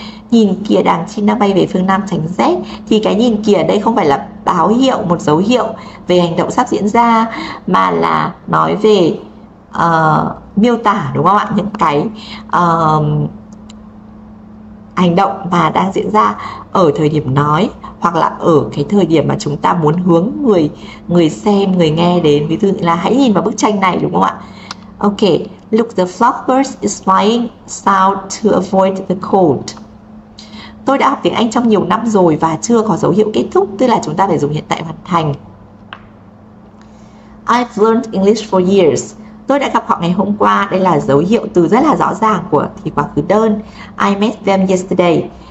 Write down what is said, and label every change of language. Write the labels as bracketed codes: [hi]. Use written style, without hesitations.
[vi] Nhìn kìa, đàn chim đang bay về phương nam tránh rét. Thì cái nhìn kìa đây không phải là báo hiệu, một dấu hiệu về hành động sắp diễn ra, mà là nói về miêu tả đúng không ạ, những cái hành động mà đang diễn ra ở thời điểm nói, hoặc là ở cái thời điểm mà chúng ta muốn hướng người xem, người nghe đến. Ví dụ như là hãy nhìn vào bức tranh này đúng không ạ? [en] Ok, look, the flock bird is flying south to avoid the cold. [vi] Tôi đã học tiếng Anh trong nhiều năm rồi và chưa có dấu hiệu kết thúc, tức là chúng ta phải dùng hiện tại hoàn thành. [en] I've learned English for years. [vi] Tôi đã gặp họ ngày hôm qua. Đây là dấu hiệu từ rất là rõ ràng của thì quá khứ đơn. [en] I met them yesterday.